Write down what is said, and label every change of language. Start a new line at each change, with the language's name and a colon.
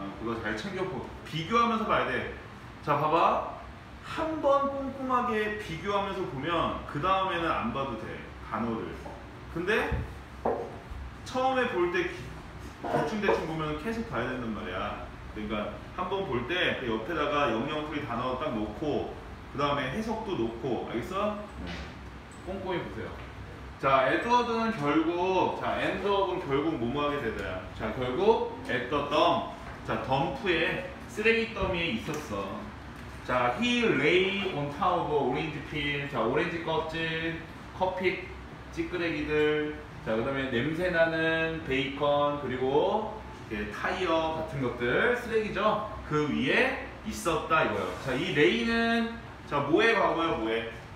Korean: 그거 잘 챙겨보고 비교하면서 봐야 돼 자 봐봐 한번 꼼꼼하게 비교하면서 보면 그 다음에는 안 봐도 돼 단어를 근데 처음에 볼 때 대충 보면 계속 봐야 된단 말이야 그러니까 한번 볼 때 그 옆에다가 영영풀이 단어 딱 놓고 그 다음에 해석도 놓고 알겠어? 네. 꼼꼼히 보세요. 자, 에드워드는 결국 자, 엔드업은 결국 뭐하게 되더라? 자, 결국 앳더덤 자, 덤프에 쓰레기 더미에 있었어.
English: 자, he lay on top of orange peel.
Korean: 자, 오렌지 껍질, 커피 찌끄레기들. 자, 그 다음에 냄새 나는 베이컨 그리고 타이어 같은 것들 쓰레기죠 그 위에 있었다 이거예요 자 이 레이는 자 뭐에 과거예요 뭐에